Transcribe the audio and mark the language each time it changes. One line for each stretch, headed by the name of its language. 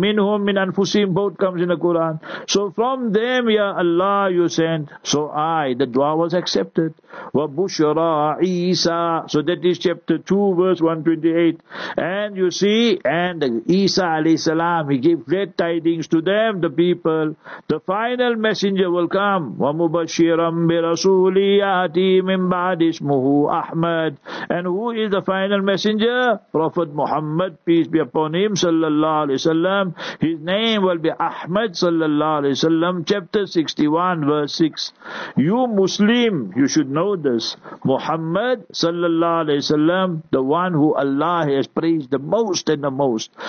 Arabic: مِّنْهُمْ مِّنْ أَنفُسِهِمْ,
English: both comes in the Quran. So from them, Ya Allah, you send. So I, the dua was accepted.
Arabic: وَبُشْرَى عِيسَى.
English: So that is chapter 2, verse 128. And you see, and Isa alayhi salam, he gave great tidings to them, the people. The final messenger will come,
Arabic: نعم ومبشرا برسول ياتي من بعد اسمه احمد.
English: And who is the final messenger? Prophet Muhammad, peace be upon him, sallallahu alaihi wasallam. His name will be Ahmad, sallallahu alaihi wasallam. Chapter 61, verse 6. You Muslim, you should know this. Muhammad, sallallahu alaihi wasallam, the one who Allah has praised the most and the most.